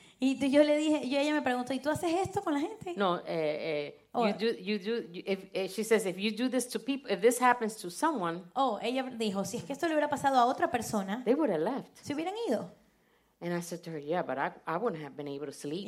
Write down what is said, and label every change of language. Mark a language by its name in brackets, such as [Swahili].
[Spanish] Y yo le dije, y ella me preguntó, ¿y tú haces esto con la gente? [English] No, she says, if you do this to people, if this happens to someone. [Spanish] Oh, ella dijo, si es que esto le hubiera pasado a otra persona. [English] They would have left. [Spanish] Se hubieran ido. [English] And I said to her, yeah, but I wouldn't have been able to sleep.